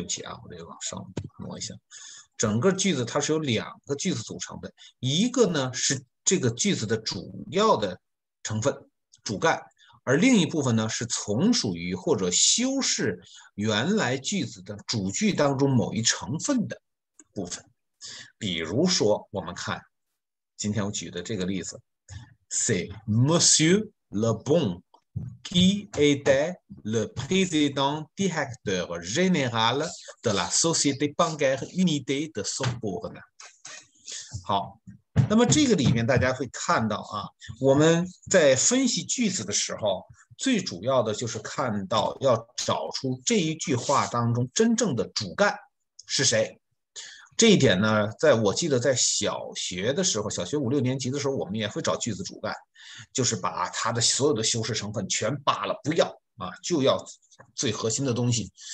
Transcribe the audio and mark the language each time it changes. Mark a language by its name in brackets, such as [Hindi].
[Chinese] 对不起啊，我这个往上挪一下。整个句子它是由两个句子组成的，一个呢是这个句子的主要的成分，主干。而另一部分呢，是从属于或者修饰原来句子的主句当中某一成分的部分。比如说，我们看今天我举的这个例子， [French] C'est Monsieur Le Bon qui était le président directeur général de la société bancaire Unité de Sorbonne。 [Chinese] 好。那么这个里面大家会看到啊，我们在分析句子的时候，最主要的就是看到要找出这一句话当中真正的主干是谁。这一点呢，在我记得在小学的时候，小学五六年级的时候，我们也会找句子主干，就是把它的所有的修饰成分全扒了，不要啊，就要最核心的东西。